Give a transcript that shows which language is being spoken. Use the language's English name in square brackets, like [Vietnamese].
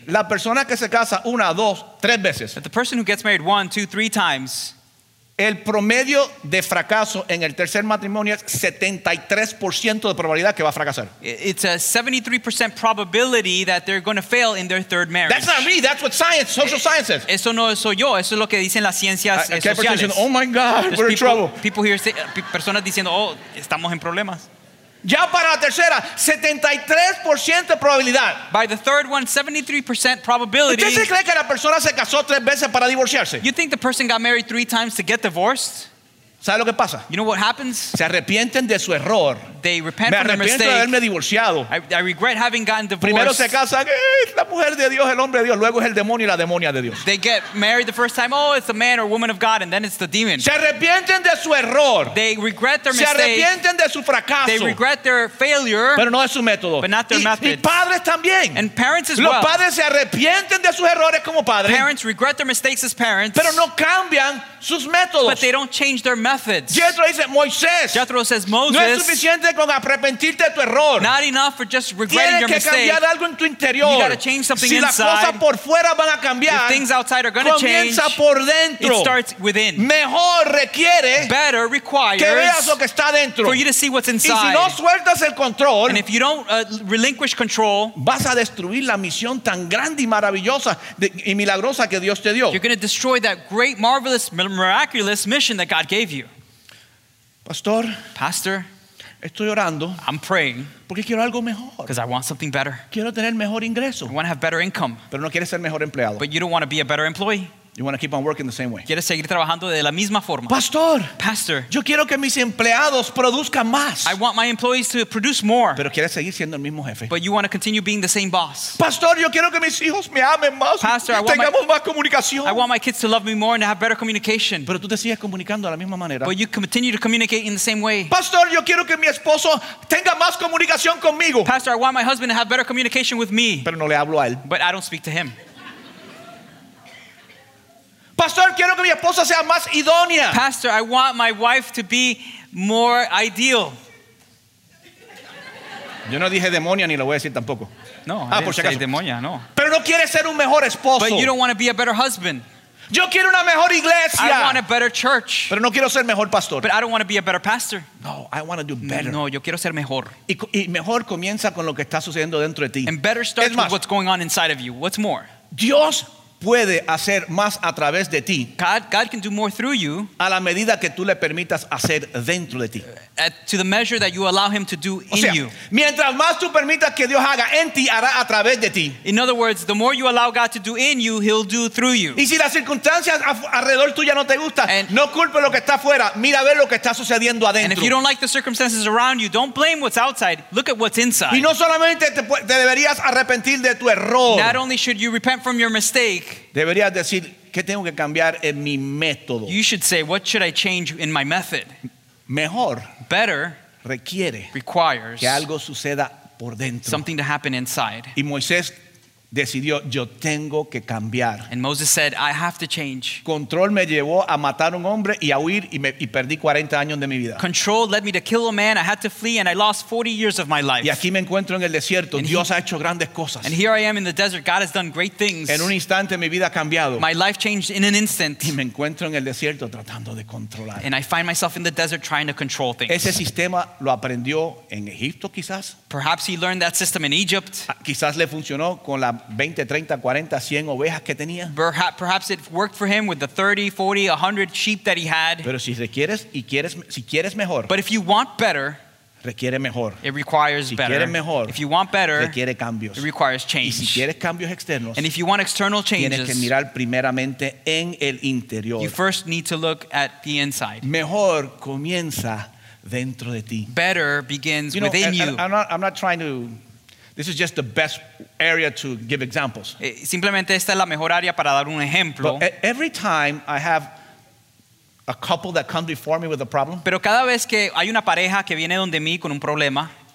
[Spanish] la persona que se casa una, dos, tres veces. [English] That the person who gets married one, two, three times, [Spanish] el promedio de fracaso en el tercer matrimonio es 73% de probabilidad que va a fracasar. [English] It's a 73% probability that they're going to fail in their third marriage. That's not me, that's what science, social science says. [Spanish] Eso no soy yo, eso es lo que dicen las ciencias sociales. [English] Saying, oh my God, there's we're people, in trouble. People here say, [Spanish] personas diciendo, oh, estamos en problemas. Ya para la tercera, 73% de probabilidad. [English] By the third one, 73% probability. [Spanish] ¿Usted se cree que la persona se casó tres veces para divorciarse? [English] You think the person got married three times to get divorced? [Spanish] ¿Sabe lo que pasa? [English] You know what happens? [Spanish] Se arrepienten de su error. [English] They repent from their mistake. [Spanish] Me arrepiento de haberme divorciado. [English] I regret having gotten divorced. [Spanish] Primero se casan, la mujer de Dios, el hombre de Dios. Luego es el demonio y la demonia de Dios. [English] They get married the first time. Oh, it's a man or woman of God, and then it's the demon. [Spanish] Se arrepienten de su error. [English] They regret their mistake. [Spanish] Se arrepienten de su fracaso. [English] They regret their failure. [Spanish] Pero no es su método. [English] But not their method. [Spanish] Y padres también. [English] And parents as well. [Spanish] Los padres se arrepienten de sus errores como padres. [English] Parents regret their mistakes as parents. [Spanish] Pero no cambian sus métodos. [English] But they don't change their methods. [Spanish] Jethro dice Moisés. [English] Jethro says Moses. [Spanish] No es suficiente con arrepentirte de tu error. [English] Not enough for just regretting [Spanish] tienes [English] your mistake. [Spanish] Tienes que cambiar algo en tu interior. [English] You gotta change something [Spanish] si [English] inside. [Spanish] Si las cosas por fuera van a cambiar, [English] if things outside are gonna [Spanish] comienza [English] change, [Spanish] por dentro. [English] It starts within. [Spanish] Mejor requiere. [English] Better requires. [Spanish] Que veas lo que está dentro. [English] For you to see what's inside. [Spanish] Y si no sueltas el control, [English] and if you don't relinquish control, [Spanish] vas a destruir la misión tan grande y maravillosa y milagrosa que Dios te dio. [English] You're gonna destroy that great, marvelous, miraculous mission that God gave you. [Spanish] Pastor, [English] pastor, [Spanish] estoy orando. [English] I'm praying [Spanish] porque quiero algo mejor. [English] Because I want something better. [Spanish] Quiero tener mejor ingreso. [English] I want to have better income. [Spanish] Pero no quieres ser mejor empleado. [English] But you don't want to be a better employee. You want to keep on working the same way. [Spanish] Quieres seguir trabajando de la misma forma. Pastor, [English] pastor, [Spanish] yo quiero que mis empleados produzcan más. [English] I want my employees to produce more. [Spanish] Pero quieres seguir siendo el mismo jefe. [English] But you want to continue being the same boss. [Spanish] Pastor, yo quiero que mis hijos me amen más. [English] Pastor, I [Spanish] tengamos [English] want my, [Spanish] más comunicación. [English] I want my kids to love me more and to have better communication. [Spanish] Pero tú te sigues comunicando de la misma manera. [English] But you continue to communicate in the same way. [Spanish] Pastor, yo quiero que mi esposo tenga más comunicación conmigo. [English] Pastor, I want my husband to have better communication with me. [Spanish] Pero no le hablo a él. [English] But I don't speak to him. [Spanish] Pastor, quiero que mi esposa sea más idónea. [English] Pastor, I want my wife to be more ideal. [Spanish] Yo no dije demonia ni lo voy a decir tampoco. No, ah, por si acaso. Demonia, no. Pero no quiere ser un mejor esposo. [English] But you don't want to be a better husband. [Spanish] Yo quiero una mejor iglesia. [English] I want a better church. [Spanish] Pero no quiero ser mejor pastor. [English] But I don't want to be a better pastor. No, I want to do better. [Spanish] No, yo quiero ser mejor. Y mejor comienza con lo que está sucediendo dentro de ti. [English] And better starts [Spanish] más, [English] with what's going on inside of you. What's more? [Spanish] Dios puede hacer más a través de ti. [English] God can do more through you. [Spanish] A la medida que tú le permitas hacer dentro de ti. [English] To the measure that you allow him to do in, [Spanish] o sea, [English] you. [Spanish] Mientras más tú permitas que Dios haga en ti, hará a través de ti. [English] In other words, the more you allow God to do in you, he'll do through you. [Spanish] Y si las circunstancias alrededor tuya no te gustan, no culpes lo que está afuera, mira a ver lo que está sucediendo adentro. [English] And if you don't like the circumstances around you, don't blame what's outside, look at what's inside. [Spanish] Y no solamente te deberías arrepentir de tu error. [English] Not only should you repent from your mistake. [Spanish] Deberías decir, ¿qué tengo que cambiar en mi método? [English] You should say, what should I change in my method? [Spanish] Mejor. [English] Better. [Spanish] Requiere. [English] Requires. [Spanish] Que algo suceda por dentro. [English] Something to happen inside. [Spanish] Y Moisés decidió, yo tengo que cambiar. [English] And Moses said, I have to change. [Spanish] Control me llevó a matar un hombre y a huir y perdí 40 años de mi vida. [English] Control led me to kill a man. I had to flee and I lost 40 years of my life. [Spanish] Y aquí me encuentro en el desierto. [English] And [Spanish] Dios ha hecho grandes cosas. [English] And here I am in the desert. God has done great things. [Spanish] En un instante mi vida ha cambiado. [English] My life changed in an instant. [Spanish] Y me encuentro en el desierto tratando de controlar. [English] And I find myself in the desert trying to control things. [Spanish] Ese sistema lo aprendió en Egipto quizás. [English] Perhaps he learned that system in Egypt. [Spanish] Quizás le funcionó con la 20, 30, 40, 100 ovejas que tenía. [English] Perhaps it worked for him with the 30, 40, 100 sheep that he had. [Spanish] Pero si requieres y quieres, si quieres mejor. [English] But if you want better, [Spanish] requiere mejor. [English] It requires [Spanish] si [English] better. [Spanish] Quieres mejor, [English] if you want better, [Spanish] requiere cambios. [English] It requires change. [Spanish] Y si quieres cambios externos, [English] and if you want external changes, [Spanish] tienes que mirar primeramente en el interior. [English] You first need to look at the inside. [Spanish] Mejor comienza dentro de ti. [English] Better begins you know, within you. I'm not trying to, this is just the best area to give examples. [Spanish] Simplemente esta es la mejor área para dar un ejemplo. [English] But every time I have a couple that come before me with a problem. [Spanish] Pero cada vez que hay una pareja que viene donde mí con un problema,